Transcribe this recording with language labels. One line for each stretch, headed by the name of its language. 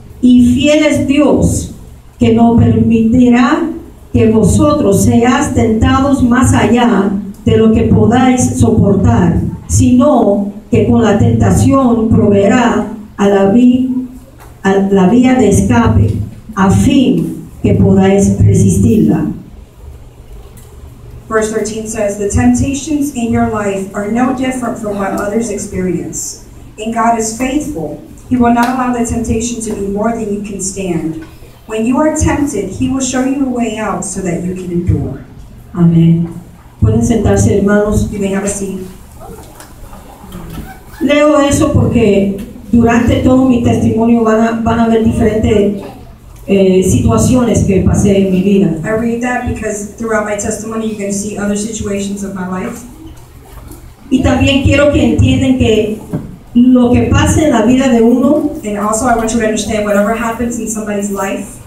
Spanish: Y fiel es Dios, que no permitirá que vosotros seáis tentados más allá de lo que podáis soportar, sino que con la tentación proveerá a la vía de escape, a fin que podáis resistirla.
English: Verse 13 says, the temptations in your life are no different from what others experience. And God is faithful. He will not allow the temptation to be more than you can stand. When you are tempted, He will show you a way out so that you can endure.
Spanish: Amen. Pueden sentarse, hermanos.
English: You may have a seat.
Spanish: Leo eso porque durante todo mi testimonio van a ver diferentes situaciones que pasé en mi vida.
English: I read that because throughout my testimony you're going to see other situations of my life.
Spanish: Y también quiero que entiendan que lo que pase en la vida de uno,
English: and also I want you to understand whatever happens in somebody's life,